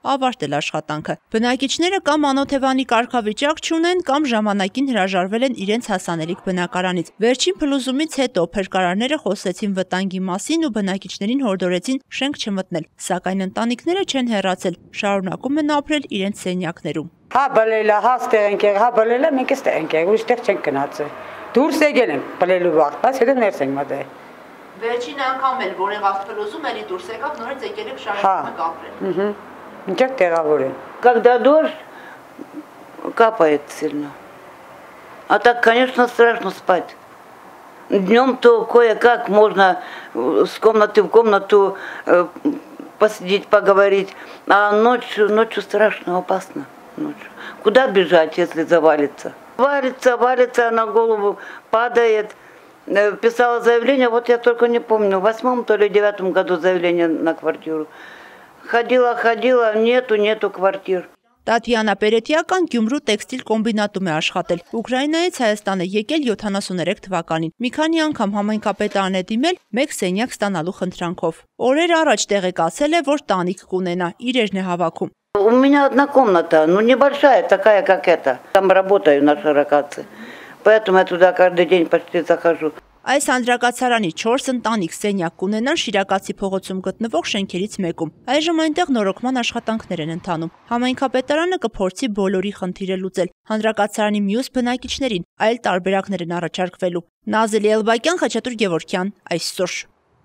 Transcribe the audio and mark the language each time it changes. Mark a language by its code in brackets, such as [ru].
[hy] ավարտել աշխատանքը։ Բնակիչները կամ անօթևանի կարգավիճակ չունեն, կամ ժամանակին հրաժարվել են իրենց հասանելիք բնակարանից։ Վերջին փլուզումից հետո փրկարարները խոսեցին վտանգի մասին ու բնակիչներին հորդորեցին շենք չմտնել, սակայն ընտանիքները չեն հեռացել, շարունակում են ապրել իրենց սենյակներում։ Հա բլելա, հա ստեղ ենք, հա բլելա, մենք էստեղ ենք, ուրիշտեղ չենք գնացել։ Դուրս եկել ենք բլելու վաղ, բայց հետո ներս ենք մտել։ Վերջին անգամ էլ որ եղավ փլուզում, էլի դուրս եկավ, նորից եկել ենք շարունակում ապրել։ Հա։ Ինչեք տեղավոր են։ [ru] Когда дождь капает сильно. А так, конечно, страшно спать. Днём то кое-как можно с комнаты в комнату посидеть, поговорить, а ночью страшно, опасно. Ночью. Куда бежать, если завалится? Валится, на голову падает. Писала заявление, вот я только не помню, в 2008 или 2009 году заявление на квартиру. Ходила, нету квартир. [hy] Տատյանա Պերետյական Գյումրու տեքստիլ կոմբինատում է աշխատել։ Ուկրաինայից Հայաստան է եկել 73 թվականին։ Մի քանի անգամ համայնքապետարան է դիմել մեկ սենյակ ստանալու խնդրանքով։ Օրեր առաջ տեղեկացել է, որ տանիք կունենա, իրերն է հավաքում։ [ru] У меня одна комната, ну небольшая, такая как это. Там работаю на широкаце. Поэтому я туда каждый день почти захожу. [hy] Այս հանրակացարանի 4 ընտանիք սենյակ կունենան Շիրակացի փողոցում գտնվող շենքերից մեկում։ Այժմ այնտեղ նորոգման աշխատանքներ են ընթանում։ Համայնքապետարանը կփորձի բոլորի խնդիրը լուծել։ Հանրակացարանի մյուս բնակիչներին այլ տարբերակներ են առաջարկվելու։ Նազելի Էլբակյան, Խաչատուր Գևորգյան, այսօր